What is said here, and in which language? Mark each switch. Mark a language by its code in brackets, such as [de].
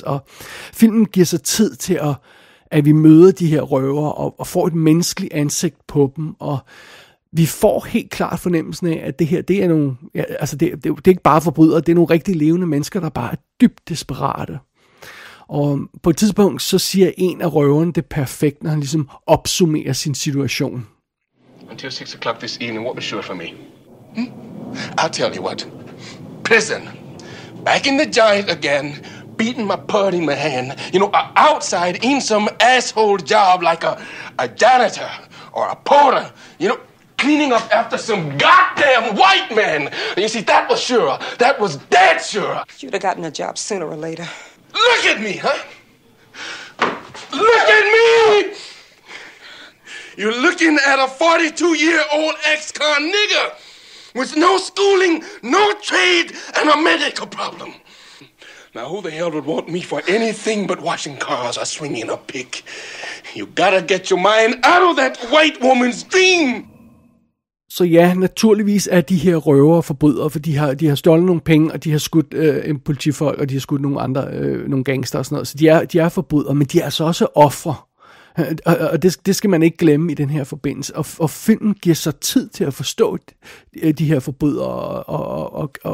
[da] Og filmen giver sig tid til, at vi møder de her røvere og får et menneskeligt ansigt på dem. Og vi får helt klart fornemmelsen af, at det her, det er nogle, ja, altså det er ikke bare forbrydere, det er nogle rigtig levende mennesker, der bare er dybt desperate. Og på et tidspunkt, så siger en af røverne det perfekt, når han ligesom opsummerer sin situation. [en] Until 6 o'clock this evening, what was sure for me? I'll tell you what. Prison. Back in the giant again. beating my putt in my hand, you know, outside in some asshole job like a janitor or a porter, you know, cleaning up after some goddamn white man. You see, that was sure. That was dead sure. You'd have gotten a job sooner or later. Look at me, huh? Look at me! You're looking at a 42-year-old ex-con nigger with no schooling, no trade, and a medical problem. Now, who the hell would want me for anything but washing cars or swinging a pick? You gotta get your mind out of that white woman's dream! [da] Så ja, naturligvis er de her røvere forbrydere, for de har stjålet nogle penge, og de har skudt en politifolk, og de har skudt nogle andre, nogle gangster og sådan noget. Så de er forbrydere, men de er altså også ofre. Og det skal man ikke glemme i den her forbindelse. Og filmen giver sig tid til at forstå de her forbrydere.